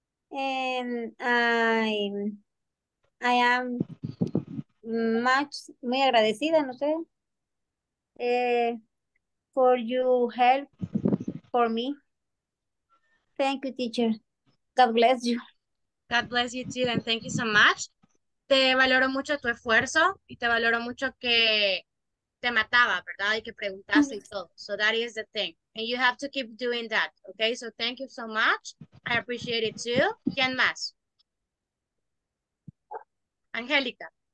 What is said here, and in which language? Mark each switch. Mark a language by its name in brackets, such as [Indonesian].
[English] And I am muy agradecida, no sé, for your help for me. Thank you, teacher. God bless you. God bless you too, and thank you so much. [Spanish] Te valoro mucho tu esfuerzo y te valoro mucho que te mataba, ¿verdad? Y que preguntaste y todo. So that is the thing. [English] And you have to keep doing that, okay? So thank you so much. I appreciate it too. ¿Quién más? Angélica.